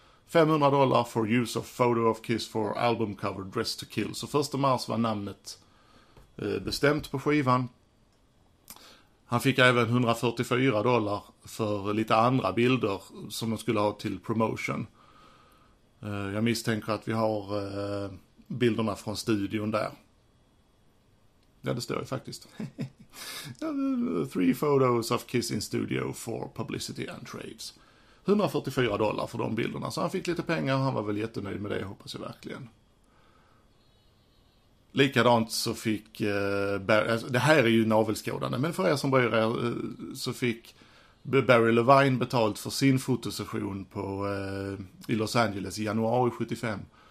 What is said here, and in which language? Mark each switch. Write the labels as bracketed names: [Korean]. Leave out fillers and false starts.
[English] $500 for use of photo of Kiss for album cover Dress to Kill. [Swedish] Så 1 mars var namnet bestämt på skivan. Han fick även $144 för lite andra bilder som de skulle ha till promotion. Jag misstänker att vi har bilderna från studion där. Ja, det står ju faktiskt. [English] 3 photos of Kiss in studio for publicity and trades. [Swedish] $144 för de bilderna. Så han fick lite pengar och han var väl jättenöjd med det, hoppas jag verkligen. Likadant så fick det här är ju navelskådande, men för er som bryr er, så fick Barry Levine betalt för sin fotosession på i Los Angeles i januari 75.